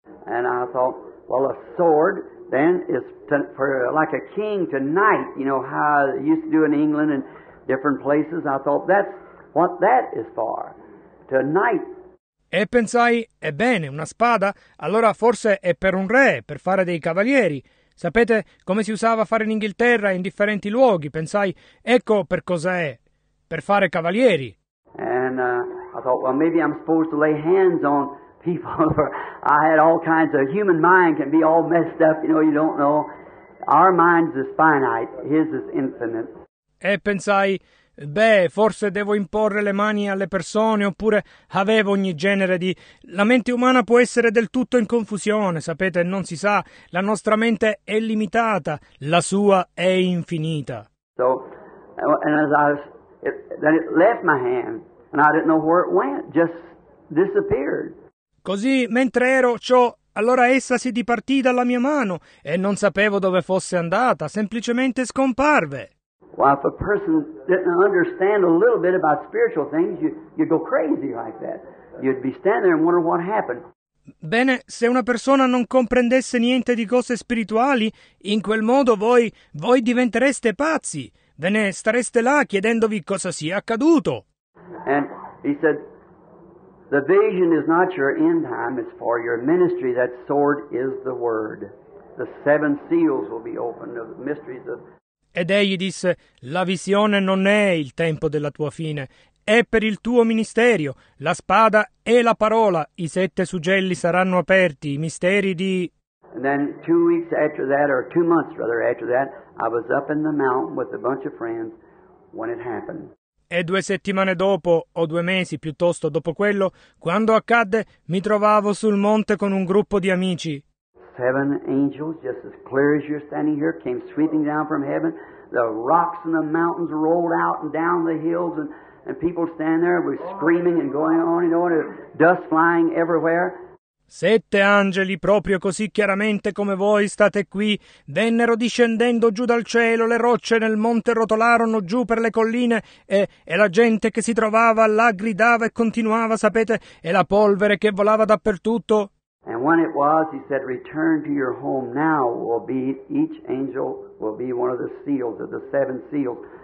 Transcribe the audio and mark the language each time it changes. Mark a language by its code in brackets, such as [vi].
[en] And I thought, well, a sword then is for like a king to knight, you know, how they used to do in England and different places. I thought, that's what that is for, to knight. [it] E pensai, ebbene, una spada, allora forse è per un re, per fare dei cavalieri. Sapete come si usava a fare in Inghilterra, in differenti luoghi? Pensai, ecco per cosa è, per fare cavalieri. [en] And I thought, well, maybe I'm supposed to lay hands on people, for I had all kinds of, human mind can be all messed up, you know, you don't know. Our mind is finite, his is infinite. [it] E pensai, beh, forse devo imporre le mani alle persone, oppure avevo ogni genere di... La mente umana può essere del tutto in confusione, sapete, non si sa. La nostra mente è limitata, la sua è infinita. [en] So, and as I was, it, then it left my hand, and I didn't know where it went, just disappeared. [it] Così, mentre ero ciò, allora essa si dipartì dalla mia mano, e non sapevo dove fosse andata, semplicemente scomparve. [en] Well, if a person didn't understand a little bit about spiritual things, you'd go crazy like that. You'd be standing there and wondering what happened. [it] Bene, se una persona non comprendesse niente di cose spirituali, in quel modo voi diventereste pazzi. Ve ne stareste là chiedendovi cosa sia accaduto. [en] And he said, the vision is not your end time, it's for your ministry. That sword is the word. The seven seals will be opened of the mysteries of... [it] Ed egli disse, la visione non è il tempo della tua fine, è per il tuo ministerio, la spada è la parola, i sette suggelli saranno aperti, i misteri di... [en] And then 2 weeks after that, or 2 months rather after that, I was up in the mountain with a bunch of friends when it happened. [it] E 2 settimane dopo, o 2 mesi piuttosto dopo quello, quando accadde, mi trovavo sul monte con un gruppo di amici. [en] 7 angels, just as clear as you're standing here, came sweeping down from heaven. The rocks and the mountains rolled out and down the hills, and people stand there were screaming and going on and on, dust flying everywhere. [it] 7 angeli, proprio così chiaramente come voi state qui, vennero discendendo giù dal cielo, le rocce nel monte rotolarono giù per le colline, e la gente che si trovava là gridava e continuava, sapete, e la polvere che volava dappertutto. [en] And when it was, he said, return to your home now, will be, each angel will be one of the seals, of the 7 seals.